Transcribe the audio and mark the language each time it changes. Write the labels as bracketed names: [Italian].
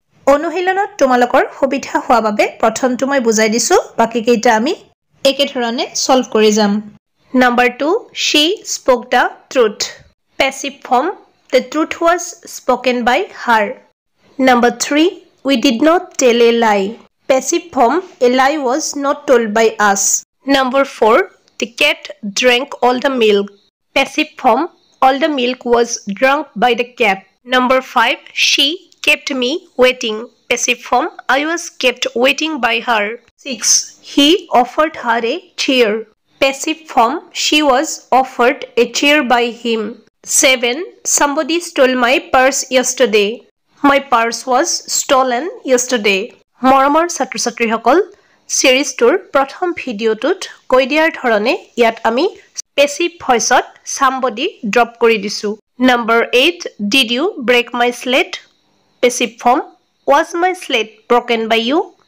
[Assamese] অনুশীলনত তোমালোকৰ সুবিধা হোৱা বাবে প্ৰথমটো মই বুজাই দিছোঁ, বাকীকেইটা আমি একেধৰণে ছল্ভ কৰি যাম। [English] Number two, she spoke the truth. Passive form, the truth was spoken by her. Number three, we did not tell a lie. Passive form, a lie was not told by us. Number 4, the cat drank all the milk. Passive form, all the milk was drunk by the cat. Number 5, she kept me waiting. Passive form, I was kept waiting by her. 6, he offered her a chair. Passive form, she was offered a chair by him. 7, somebody stole my purse yesterday. My purse was stolen yesterday. [Assamese] মৰমৰ ছাত্ৰ ছাত্ৰীসকল, ছিৰিজটোৰ প্ৰথম ভিডিঅ'টোত কৈ দিয়াৰ ধৰণে ইয়াত আমি পেছিভ ভইচত ছামবডি ড্ৰপ কৰি দিছোঁ। [English] Number 8, did you break my slate? Passive form, was my slate broken by you?